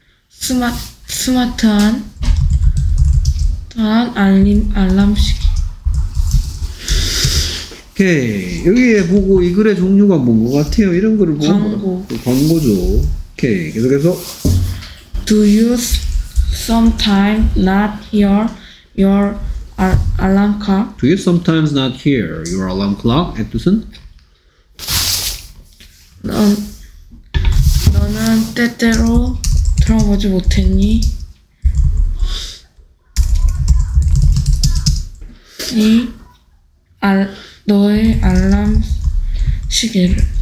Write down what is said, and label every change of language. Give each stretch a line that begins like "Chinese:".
Korean: Smart한. 다음 알람 시계. 오케이, 여기에 보고 이 글의 종류가 뭔 것 같아요? 이런 글을 보고 광고. 광고죠. 오케이, 계속해서.
English: Do you sometimes not hear your alarm clock? Do you sometimes not hear your alarm clock, Edison?
Korean: 너는 때때로 들어보지 못했니? 이 너의 알람 시계를.